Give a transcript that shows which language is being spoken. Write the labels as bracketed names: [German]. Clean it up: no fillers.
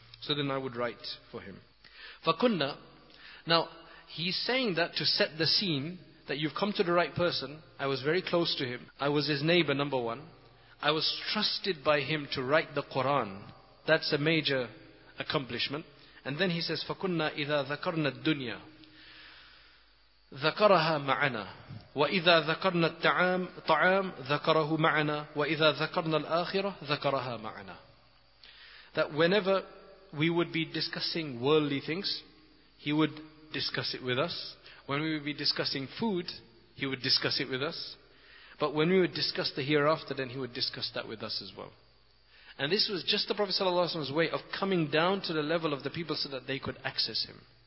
[English] So then I would write for him. [Arabic] فَكُنَّا. [English] Now, he's saying that to set the scene that you've come to the right person. I was very close to him. I was his neighbor, number one. I was trusted by him to write the Quran. That's a major accomplishment. And then he says, [Arabic] فَكُنَّا إِذَا ذَكَرْنَا الدُّنْيَا ذَكَرَهَا مَعَنَا وَإِذَا ذَكَرْنَا الطَّعَامِ ذَكَرَهُ مَعَنَا وَإِذَا ذَكَرْنَا الْآخِرَةِ ذَكَرَهَا مَعَنَا. [English] That whenever we would be discussing worldly things, he would discuss it with us. When we would be discussing food, he would discuss it with us. But when we would discuss the hereafter, then he would discuss that with us as well. And this was just the Prophet's way of coming down to the level of the people so that they could access him.